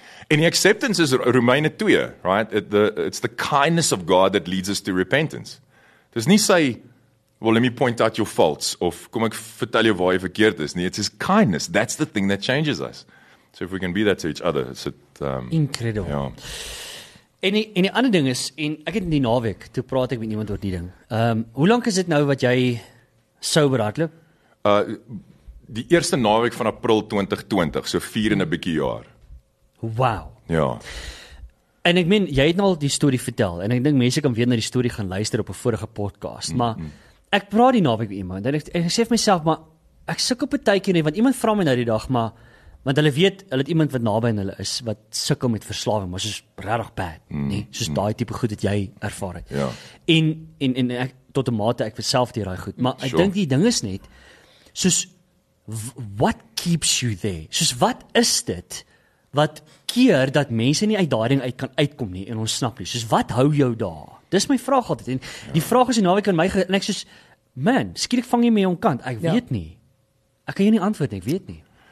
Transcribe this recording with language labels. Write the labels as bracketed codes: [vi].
[en] And acceptance is Romeine 2, right? It's the kindness of God that leads us to repentance. [af] Dis nie sy, [en] well, let me point out your faults, [af] of kom ek vertel jou waar jy verkeerd is. Nee, [en] it's his kindness. That's the thing that changes us. So if we can be that to each other, it's incredible. Yeah. [af] En die ander ding is, en ek het in die naweek, toe praat ek met iemand oor die ding. Hoe lank is dit nou wat jy sober hardloop? Die eerste naweek van April 2020, so 4 en 'n bietjie jaar. Wow. Ja. En ek meen, jy het nou al die story vertel, en ek dink mense kan weer na die story gaan luister op 'n vorige podcast, maar ek praat die naweek met iemand, en ek sê vir myself, maar ek sukkel partykeer nie, want iemand vra my nou die dag, maar want hulle weet, hulle het iemand wat naby aan hulle is, wat sukkel met verslawing, maar soos regtig bad, nie? Soos daai tipe goed wat jy ervaar het. Ja. En ek, tot 'n mate, ek self deur daai goed, maar ek dink die ding is net, soos, [en] what keeps you there? [af] Soos, wat is dit, wat keer dat mense nie uit daai ding uit kan uitkom nie, en ontsnap nie? Soos, wat hou jou daar? Dis my vraag altyd, en die vraag is die naweek aan my, en ek soos, man, skielik vang jy my om kant, ek weet nie. Ek kan jou nie antwoord, ek weet nie.